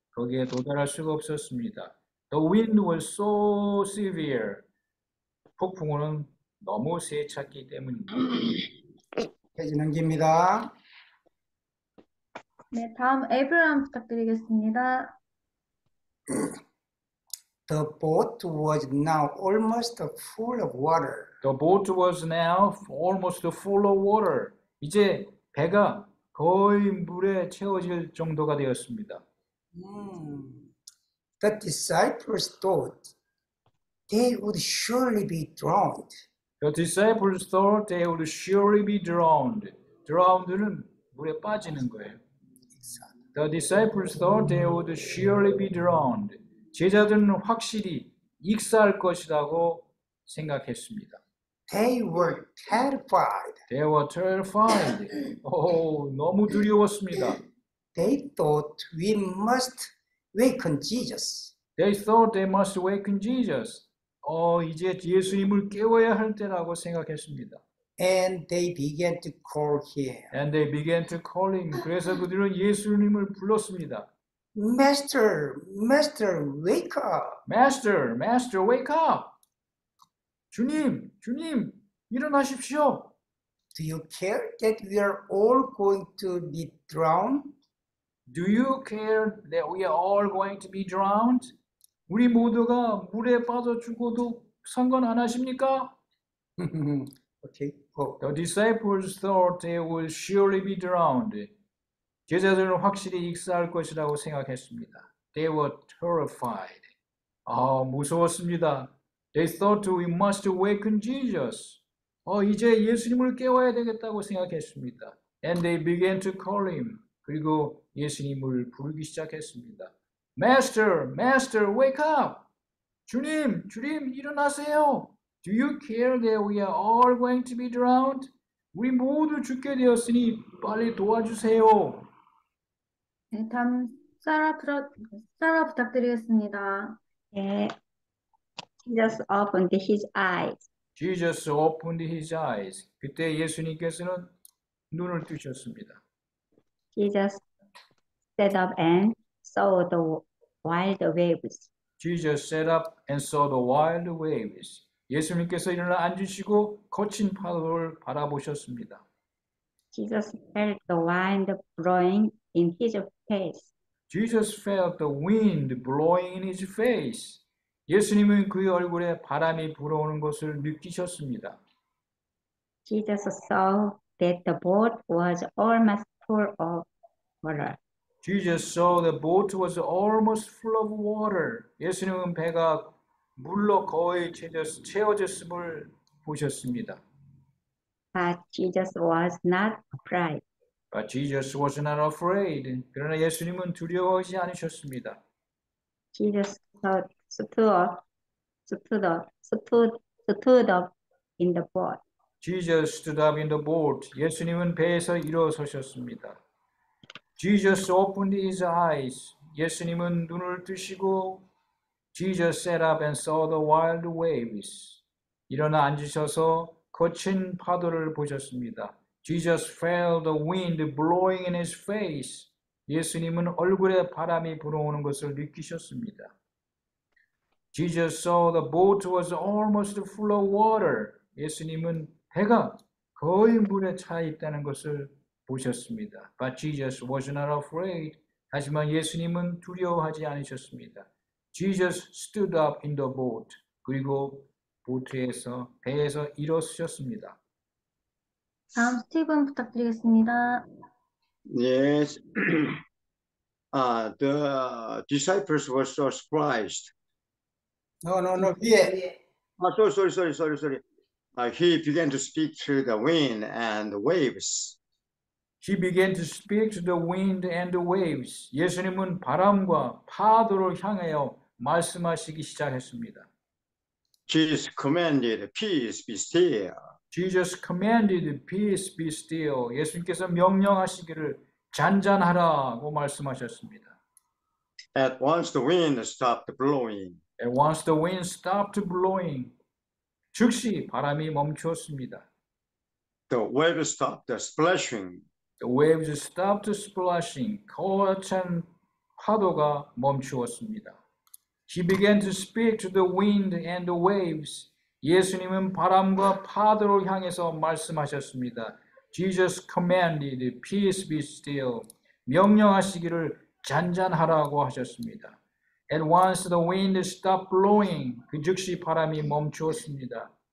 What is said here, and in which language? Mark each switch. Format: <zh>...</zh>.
<ko>거기에 도달할 수가 없었습니다.</ko> <en>The wind was so severe.</en> <ko>폭풍우는 너무 세찼기 때문입니다. 해지는 김입니다. 네, 다음 에브라함 부탁드리겠습니다.</ko> <en>The boat was now almost full of water. The boat was now almost full of water.</en> <ko>이제 배가 거의 물에 채워질 정도가 되었습니다.</ko> <en>The disciples thought they would surely be drowned. The disciples thought they would surely be drowned.</en> <ko>Drowned는 물에 빠지는 거예요.</ko> <en>The disciples thought they would surely be drowned.</en> <ko>제자들은 확실히 익사할 것이라고 생각했습니다.</ko> <en>They were terrified. They were terrified.</en> <ko>너무 두려웠습니다.</ko> <en>They thought we must waken Jesus. They thought they must waken Jesus.</en> <ko>이제 예수님을 깨워야 할 때라고 생각했습니다.</ko> <en>And they began to call him. And they began to call him.</en> <ko>그래서 그들은 예수님을 불렀습니다.</ko> <en>Master, Master, wake up. Master, Master, wake up.</en> <ko>주님, 주님, 일어나십시오.</ko> <en>Do you care that we are all going to be drowned? Do you care that we are all going to be drowned?</en> <ko>우리 모두가 물에 빠져 죽어도 상관 안 하십니까?</ko> <en>Okay. Oh. The disciples thought they would surely be drowned.</en> <ko>제자들은 확실히 익사할 것이라고 생각했습니다.</ko> <en>They were terrified.</en> <ko>무서웠습니다.</ko> <en>They thought we must waken Jesus.</en> <ko>이제 예수님을 깨워야 되겠다고 생각했습니다.</ko> <en>And they began to call him.</en> <ko>그리고 예수님을 부르기 시작했습니다.</ko> <en>Master, Master, wake up!</en> <ko>주님, 주님, 일어나세요!</ko> <en>Do you care that we are all going to be drowned?</en> <ko>우리 모두 죽게 되었으니 빨리 도와주세요. 네, 다음 사라 부탁드리겠습니다.</ko> <en>네. Jesus opened his eyes. Jesus opened his eyes.</en> <ko>그때 예수님께서는 눈을 뜨셨습니다.</ko> <en>Jesus sat up and saw the wild waves. Jesus sat up and saw the wild waves.</en> <ko>예수님께서 일어나 앉으시고 거친 파도를 바라보셨습니다.</ko> <en>Jesus felt the wind blowing in his face. Jesus felt the wind blowing in his face.</en> <ko>예수님은 그의 얼굴에 바람이 불어오는 것을 느끼셨습니다.</ko> <en>Jesus saw that the boat was almost full of water. Jesus saw the boat was almost full of water.</en> <ko>예수님은 배가 물로 거의 채워졌음을 보셨습니다.</ko> <en>But Jesus was not afraid. But Jesus was not afraid.</en> <ko>그러나 예수님은 두려워하지 않으셨습니다.</ko> <en>Jesus stood up in the boat. Jesus stood up in the boat.</en> <ko>예수님은 배에서 일어서셨습니다.</ko> <en>Jesus opened his eyes.</en> <ko>예수님은 눈을 뜨시고</ko> <en>Jesus sat up and saw the wild waves.</en> <ko>일어나 앉으셔서 거친 파도를 보셨습니다.</ko> <en>Jesus felt the wind blowing in his face.</en> <ko>예수님은 얼굴에 바람이 불어오는 것을 느끼셨습니다.</ko> <en>Jesus saw the boat was almost full of water.</en> <ko>예수님은 배가 거의 물에 차 있다는 것을 보셨습니다.</ko> <en>But Jesus was not afraid.</en> <ko>하지만 예수님은 두려워하지 않으셨습니다.</ko> <en>Jesus stood up in the boat.</en> <ko>그리고 보트에서 배에서 일어서셨습니다. 다음 스티븐 부탁드리겠습니다.</ko> <en>Yes. the disciples were so surprised. No, he. Sorry. He began to speak to the wind and the waves. He began to speak to the wind and the waves.</en> <ko>예수님은 바람과 파도를 향하여 말씀하시기 시작했습니다.</ko> <en>Jesus commanded, "Peace, be still." Jesus commanded, "Peace, be still."</en> <ko>예수님께서 명령하시기를 잔잔하라고 말씀하셨습니다.</ko> <en>At once the wind stopped blowing. At once the wind stopped blowing.</en> <ko>즉시 바람이 멈추었습니다.</ko> <en>The waves stopped splashing. The waves stopped splashing.</en> <ko>거친 파도가 멈추었습니다.</ko> <en>He began to speak to the wind and the waves.</en> <ko>예수님은 바람과 파도를 향해서 말씀하셨습니다.</ko> <en>Jesus commanded, "Peace be still."</en> <ko>명령하시기를 잔잔하라고 하셨습니다.</ko> <en>At once the wind stopped blowing.</en> <ko>그 즉시 바람이 멈추었습니다.</ko>